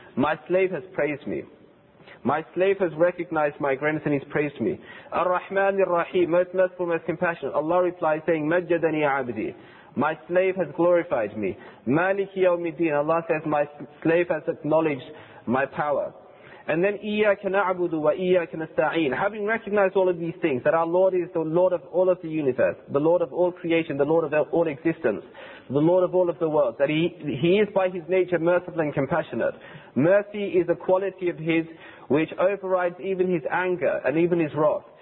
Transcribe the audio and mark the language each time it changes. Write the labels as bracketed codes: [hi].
[en] My slave has praised me. My slave has recognized my greatness and he's praised me. [ar] الرَّحْمَنِ الرَّحِيمِ. [en] Most merciful, most compassionate. Allah replies saying, [ar] مَجَّدَنِي عَبْدِي. [en] My slave has glorified me. [ar] Maliki yawmiddin. [en] Allah says, my slave has acknowledged my power. And then, [ar] إِيَّاكَ نَعْبُدُ وَإِيَّاكَ نَسْتَعِينَ. [en] Having recognized all of these things, that our Lord is the Lord of all of the universe, the Lord of all creation, the Lord of all existence, the Lord of all of the world, that He is by His nature merciful and compassionate. Mercy is a quality of His which overrides even His anger and even His wrath.